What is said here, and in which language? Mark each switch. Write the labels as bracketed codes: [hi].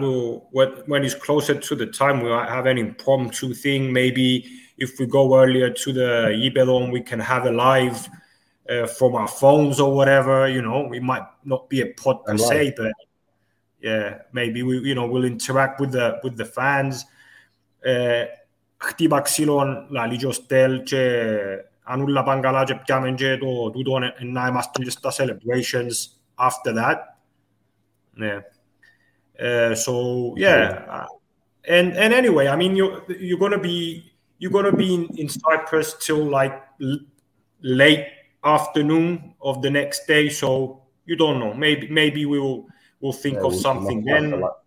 [en] We'll when it's closer to the time, we might have an impromptu thing. Maybe if we go earlier to the Ibelon, we can have a live from our phones or whatever. You know, we might not be a pod per se, but yeah, maybe we, you know, we'll interact with the fans. [el] Χτύπα ξύλων, λαλί και ο Στέλ και αν ούλα πάνε καλά και πιάμε και το τούτο να είμαστε και στα [en] celebrations after that. So yeah. And anyway, I mean you're gonna be in Cyprus till like late afternoon of the next day, so you don't know. Maybe we'll think of something then. Like